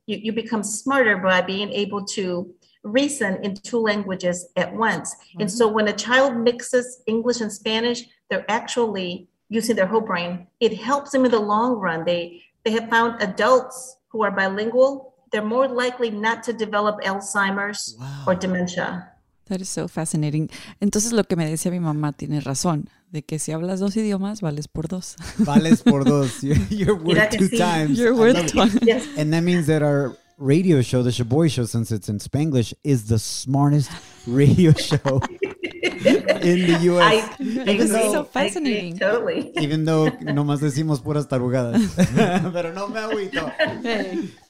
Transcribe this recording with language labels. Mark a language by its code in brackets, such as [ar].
[en] You become smarter by being able to reason in two languages at once. Mm-hmm. And so when a child mixes English and Spanish, they're actually using their whole brain, it helps them in the long run. They have found adults who are bilingual, they're more likely not to develop Alzheimer's or dementia. That is so fascinating. [es] Entonces, lo que me decía mi mamá tiene razón, de que si hablas dos idiomas, vales por dos. Vales por dos. [en] You're worth two times. You're worth twice. And that means that our radio show, the Shaboy Show, since it's in Spanglish, is the smartest radio show in the U.S. It's so fascinating. Totally. Even though [es] nomás decimos puras tarugadas. Pero no me agüito. Hey.